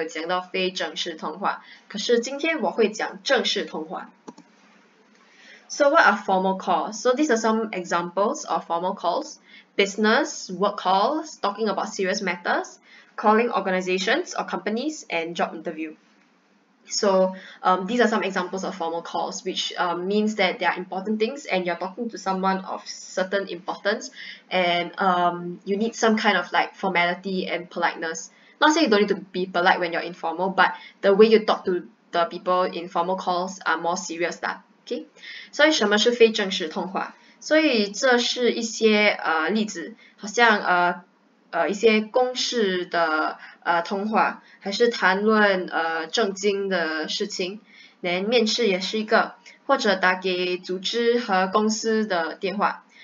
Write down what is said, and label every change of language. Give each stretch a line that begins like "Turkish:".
Chinese: 不知道你们记不记得我们大概两个月前有讲到非正式通话, 可是今天我会讲正式通话.
English: So what are formal calls? So these are some examples of formal calls. Business, work calls, talking about serious matters, calling organizations or companies, and job interview. So these are some examples of formal calls, which means that they are important things and you're talking to someone of certain importance, and you need some kind of like formality and politeness. Not saying you don't need to be polite when you're informal, but the way you talk to the people in formal calls are more serious. Okay?
Chinese: 所以什么是非正式通话?所以这是一些 例子, 好像 一些公事的通话, 还是谈论 正经的事情, 连面试也是一个, 或者打给组织和公司的电话.